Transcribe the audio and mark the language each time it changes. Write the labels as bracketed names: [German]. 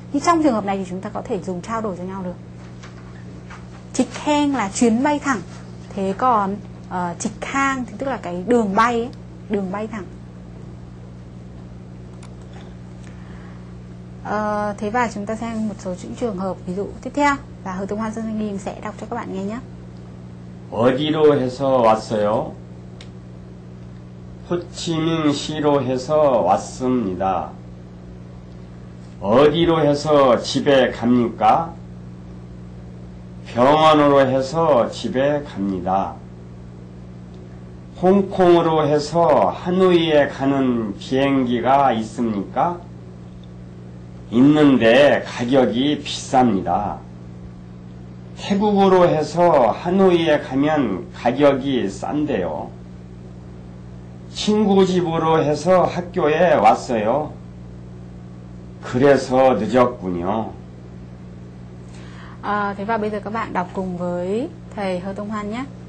[Vietnamese] Nhưng trong trường hợp này thì chúng ta có thể dùng trao đổi cho nhau được. Trực hang là chuyến bay thẳng, thế còn trực hang thì tức là cái đường bay ấy, đường bay thẳng. Thế và chúng ta xem một số những trường hợp ví dụ tiếp theo và Hờ Tùng Hoan Sơn Thanh Nghiêm sẽ đọc cho các bạn nghe nhé. [Korean] 어디로 해서 왔어요? 호치민시로 해서 왔습니다. 어디로 해서 집에 갑니까? 병원으로 해서 집에 갑니다. 홍콩으로 해서 하노이에 가는 비행기가 있습니까? 있는데 가격이 비쌉니다. 태국으로 해서 하노이에 가면 가격이 싼데요. 친구 집으로 해서 학교에 왔어요. 그래서 늦었군요. [Vietnamese] Thế và bây giờ các bạn đọc cùng với thầy Hơ Tông Hoan nhé.